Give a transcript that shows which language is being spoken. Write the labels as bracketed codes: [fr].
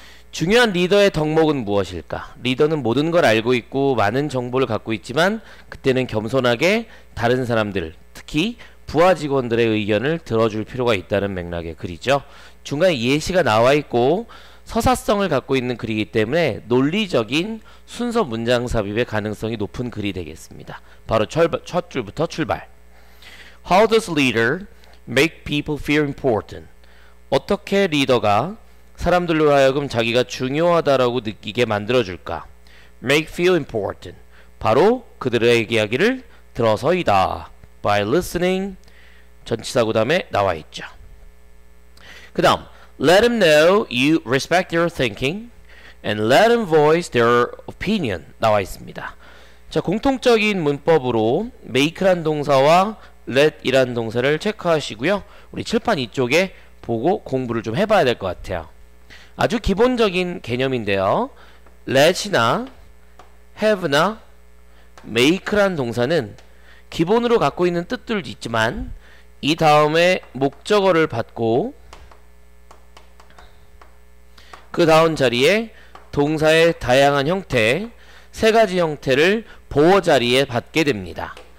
[ko] 중요한 리더의 덕목은 무엇일까? 리더는 모든 걸 알고 있고 많은 정보를 갖고 있지만 그때는 겸손하게 다른 사람들, 특히 부하 직원들의 의견을 들어줄 필요가 있다는 맥락의 글이죠. 중간에 예시가 나와 있고 서사성을 갖고 있는 글이기 때문에 논리적인 순서 문장 삽입의 가능성이 높은 글이 되겠습니다. 바로 첫 줄부터 출발. [en] How does leader make people feel important? [ko] 어떻게 리더가 사람들로 하여금 자기가 중요하다라고 느끼게 만들어줄까? [en] Make feel important. [ko] 바로 그들의 이야기를 들어서이다. [en] By listening. [ko] 전치사구 다음에 나와 있죠. 그 다음. [en] Let them know you respect their thinking and let them voice their opinion [ko] 나와 있습니다. 자, 공통적인 문법으로 make란 동사와 let이란 동사를 체크하시고요. 우리 칠판 이쪽에 보고 공부를 좀 해봐야 될것 같아요. 아주 기본적인 개념인데요. let이나 have나 make란 동사는 기본으로 갖고 있는 뜻들도 있지만 이 다음에 목적어를 받고 그 다음 자리에 동사의 다양한 형태, 세 가지 형태를 보어 자리에 받게 됩니다.